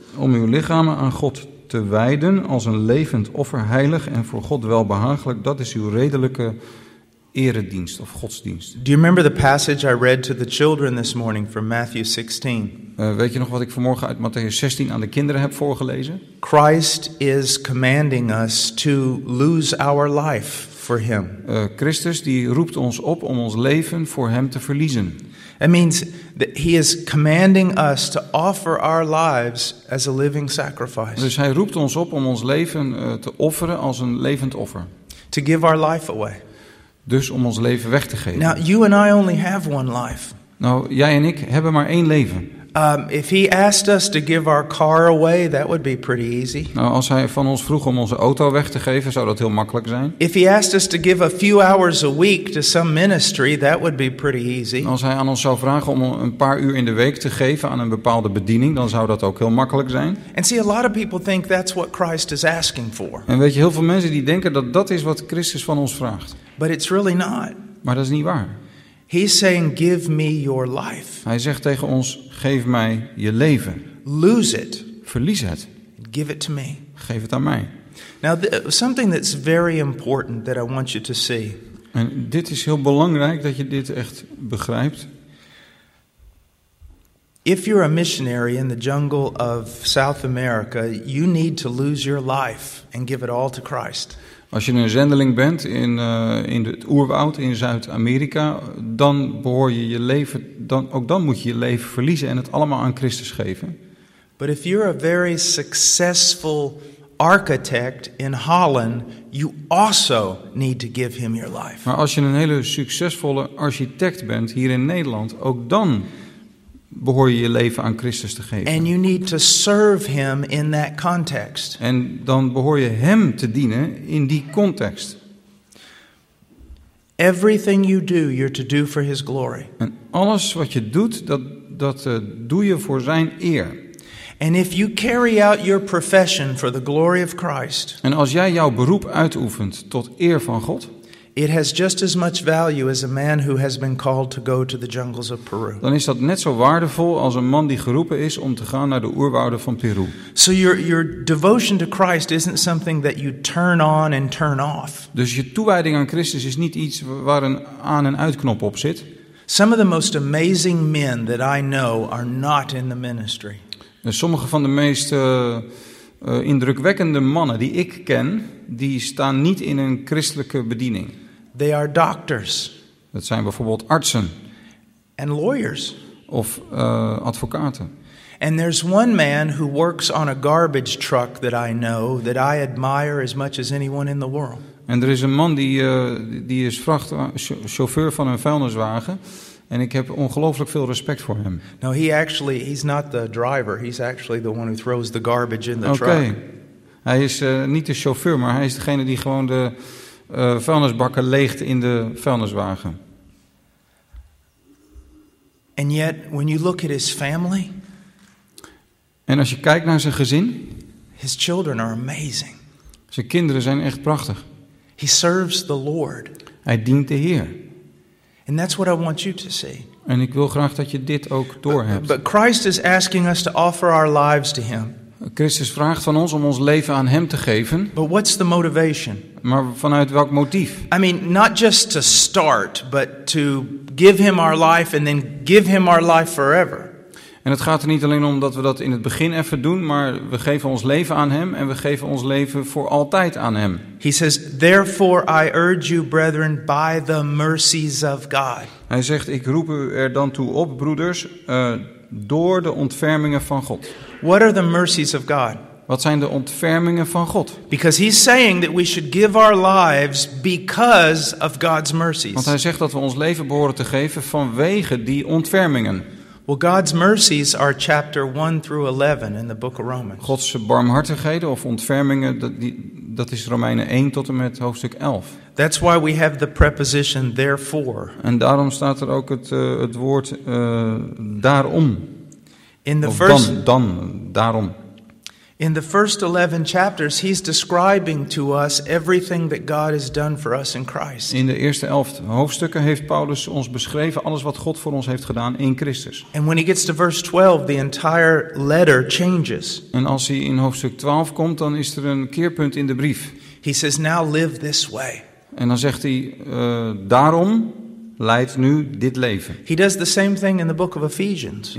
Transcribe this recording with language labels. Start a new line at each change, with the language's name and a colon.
Dutch: Om uw lichamen aan God te wijden als een levend offer, heilig en voor God welbehagelijk, dat is uw redelijke eredienst of godsdienst.
English: Do you remember the passage I read to the children this morning from Matthew 16?
Dutch: Weet je nog wat ik vanmorgen uit Matthäus 16 aan de kinderen heb voorgelezen?
English: Christ is commanding us to lose our life for him.
Dutch: Christus die roept ons op om ons leven voor hem te verliezen.
English: It means that he is commanding us to offer our lives as a living sacrifice.
Dutch: Dus hij roept ons op om ons leven te offeren als een levend offer.
English: To give our life away.
Dutch: Dus om ons leven weg te geven.
English: Now you and I only have one life.
Dutch: Nou, jij en ik hebben maar één leven.
English: If he asked us to give our car away, that would be pretty easy.
Dutch: Nou, als hij van ons vroeg om onze auto weg te geven, zou dat heel makkelijk zijn.
English: If he asked us to give a few hours a week to some ministry, that would be pretty easy.
Dutch: Als hij aan ons zou vragen om een paar uur in de week te geven aan een bepaalde bediening, dan zou dat ook heel makkelijk zijn.
English: And see, a lot of people think that's what Christ is asking for.
Dutch: En weet je, heel veel mensen die denken dat dat is wat Christus van ons vraagt.
English: But it's really not.
Dutch: Maar dat is niet waar.
English: He's saying, "Give me your life."
Dutch: Hij zegt tegen ons: geef mij je leven.
English: Lose it.
Dutch: Verlies het.
English: Give it to me.
Dutch: Geef het aan mij.
English: Now, something that's very important that I want you to see.
Dutch: En dit is heel belangrijk dat je dit echt begrijpt.
English: If you're a missionary in the jungle of South America, you need to lose your life and give it all to Christ.
Dutch: Als je een zendeling bent in het oerwoud in Zuid-Amerika, dan behoor je je leven, dan ook dan moet je je leven verliezen en het allemaal aan Christus geven.
English: But if you're a very successful architect in Holland, you also need to give him your life.
Dutch: Maar als je een hele succesvolle architect bent hier in Nederland, ook dan behoor je je leven aan Christus te geven.
English: And you need to serve him in that context.
Dutch: En dan behoor je hem te dienen in die context.
English: Everything you do, you're to do for his glory.
Dutch: En alles wat je doet, dat doe je voor zijn eer.
English: And if you carry out your profession for the glory of Christ.
Dutch: En als jij jouw beroep uitoefent tot eer van God,
English: it has just as much value as a man who has been called to go to the jungles of Peru.
Dutch: Dan is dat net zo waardevol als een man die geroepen is om te gaan naar de oerwouden van Peru.
English: So your devotion to Christ isn't something that you turn on and turn off.
Dutch: Dus je toewijding aan Christus is niet iets waar een aan- en uitknop op zit.
English: Some of the most amazing men that I know are not in the ministry.
Dutch: En sommige van de meest indrukwekkende mannen die ik ken, die staan niet in een christelijke bediening.
English: They are doctors.
Dutch: Dat zijn bijvoorbeeld artsen.
English: And lawyers.
Dutch: Of advocaten.
English: And there's one man who works on a garbage truck that I know that I admire as much as anyone in the world.
Dutch: En er is een man die is chauffeur van een vuilniswagen. En ik heb ongelooflijk veel respect voor hem.
English: No, he's not the driver. He's actually the one who throws the garbage in the truck.
Dutch: Oké. Hij is niet de chauffeur, maar hij is degene die gewoon de vuilnisbakken leegt in de vuilniswagen.
English: And yet, when you look at his family,
Dutch: en als je kijkt naar zijn gezin,
English: his children are amazing.
Dutch: Zijn kinderen zijn echt prachtig.
English: He serves the Lord.
Dutch: Hij dient de Heer.
English: And that's what I want you to see.
Dutch: En ik wil graag dat je dit ook doorhebt.
English: But Christ is asking us to offer our lives to him.
Dutch: Christus vraagt van ons om ons leven aan hem te geven.
English: But what's the motivation?
Dutch: Maar vanuit welk motief?
English: I mean, not just to start, but to give him our life and then give him our life forever.
Dutch: En het gaat er niet alleen om dat we dat in het begin even doen, maar we geven ons leven aan hem en we geven ons leven voor altijd aan hem.
English: He says, therefore I urge you, brethren, by the mercies of God.
Dutch: Hij zegt, ik roep u er dan toe op, broeders, door de ontfermingen van God.
English: What are the mercies of God?
Dutch: Wat zijn de ontfermingen van God?
English: Because he's saying that we should give our lives because of God's mercies.
Dutch: Want hij zegt dat we ons leven behoren te geven vanwege die ontfermingen.
English: Well, God's mercies are chapter 1 through 11 in the book of Romans.
Dutch: Gods barmhartigheden of ontfermingen, dat is Romeinen 1 tot en met hoofdstuk 11.
English: That's why we have the preposition therefore.
Dutch: En daarom staat er ook het woord daarom.
English: In the of first
Dutch: dan daarom.
English: In the first 11 chapters he's describing to us everything that God has done for us in Christ.
Dutch: In de eerste 11 hoofdstukken heeft Paulus ons beschreven alles wat God voor ons heeft gedaan in Christus.
English: And when he gets to verse 12 the entire letter changes.
Dutch: En als hij in hoofdstuk 12 komt dan is er een keerpunt in de brief.
English: He says now live this way.
Dutch: En dan zegt hij daarom leidt nu dit leven.
English: He does the same thing in the book of Ephesians.